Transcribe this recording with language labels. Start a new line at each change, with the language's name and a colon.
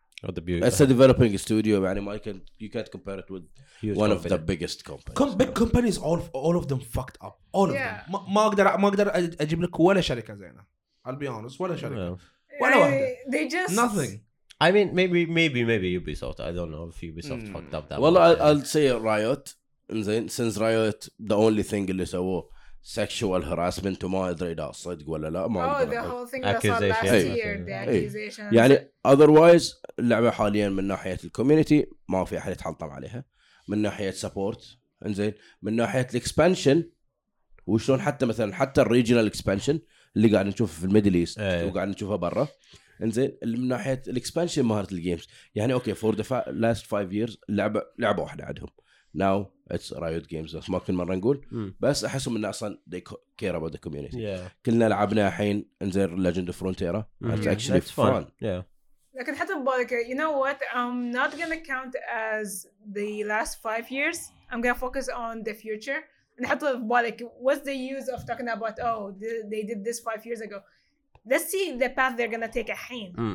English: It's a developing studio,
Arabic: يعني ما يمكن
English: you can't compare it with huge one company. Of the biggest companies. Big companies all of them fucked up. All of them.
Arabic: ما أقدر أجيب لك ولا شركة زينة.
English: I'll be honest,
Arabic: ولا شركة. ولا واحدة.
English: They just nothing. I mean maybe Ubisoft. I don't know if Ubisoft fucked up that. Well, I'll say Riot. Since Riot, the only thing
Arabic: اللي سووه
English: sexual harassment,
Arabic: وما أدري إذا صدق ولا لا.
English: Oh, the whole thing that last year, the accusations.
Arabic: يعني otherwise. اللعبة حاليا من ناحية الكوميونتي ما في أحد يتحطم عليها, من ناحية سبورت انزين, من ناحية الإكسبانشن وشلون حتى مثلا حتى الريجنال إكسبانشن اللي قاعد نشوفه في الميدل إيست وقاعد نشوفه برا انزين, من ناحية الإكسبانشن مهارة الجيمز يعني أوكي فور دفع
English: last five years
Arabic: لعبة واحدة عندهم
English: now it's Riot Games
Arabic: بس ما كل مرة نقول بس أحسهم إن أصلا
English: they care about the community. Yeah.
Arabic: كلنا لعبنا الحين انزين ليجند فرونتيرا
English: actually fun.
Arabic: لكن حتى ببالك,
English: you know what, I'm not gonna count as the last 5 years, I'm gonna focus on the future. And
Arabic: حتى ببالك,
English: what's the use of talking about, oh, they did this 5 years ago. Let's see the path they're gonna take الحين.